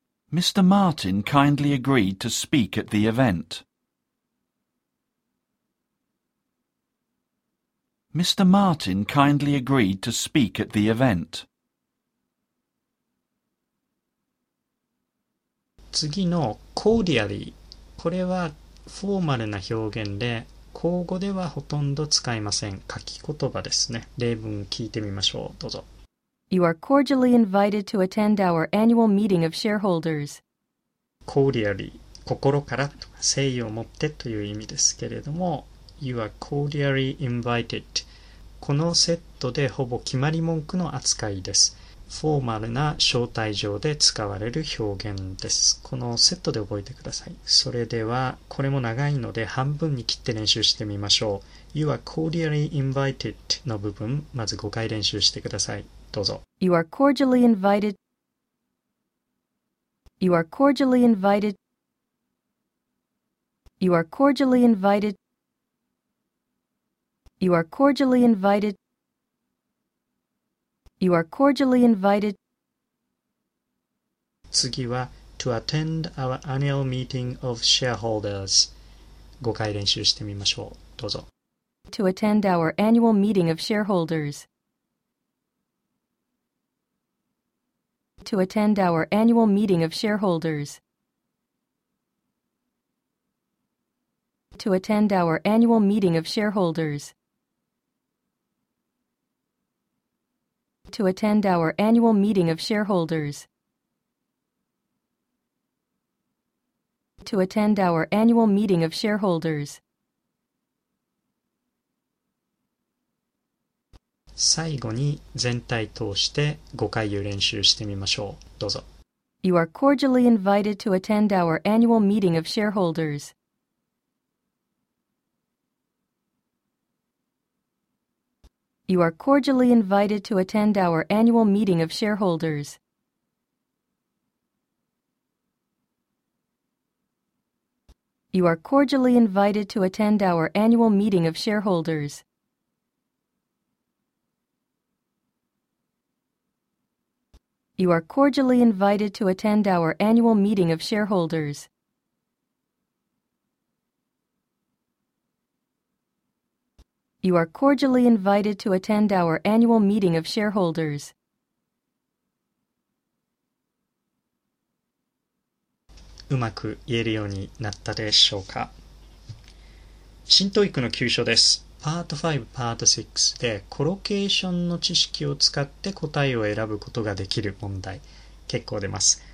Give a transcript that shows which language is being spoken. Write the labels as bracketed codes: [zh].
[en] Mr. Martin kindly agreed to speak at the event. Mr. Martin kindly agreed to speak at the event. [ja] 次の cordially、 これはフォーマルな表現で、口語ではほとんど使いません。書き言葉ですね。例文聞いてみましょう。どうぞ。 [en] You are cordially invited to attend our annual meeting of shareholders. [ja] Cordially, 心からとか誠意を持ってという意味ですけれども、 [en] You are cordially invited. [ja] このセットでほぼ決まり文句の扱いです。フォーマルな招待状で使われる表現です。このセットで覚えてください。それでは、これも長いので半分に切って練習してみましょう。 [en] You are cordially invited [ja] の部分、まず5回練習してください。どうぞ。 [en] You are cordially invited. You are cordially invited. You are cordially invited. You are cordially invited. You are cordially invited. [ja] 次は [en] To attend our annual meeting of shareholders. [ja] 5回練習してみましょう。どうぞ。 [en] To attend our annual meeting of shareholders. To attend our annual meeting of shareholders. To attend our annual meeting of shareholders. To attend our annual meeting of shareholders. To attend our annual meeting of shareholders. [ja] 最後に全体通して5回を練習してみましょう。どうぞ。 [en] You are cordially invited to attend our annual meeting of shareholders. You are cordially invited to attend our annual meeting of shareholders. You are cordially invited to attend our annual meeting of shareholders. You are cordially invited to attend our annual meeting of shareholders. You are cordially invited to attend our annual meeting of shareholders. [ja] 上手く言えるようになったでしょうか。新TOEICの9章です。パート5、パート6でコロケーションの知識を使って答えを選ぶことができる問題。結構出ます。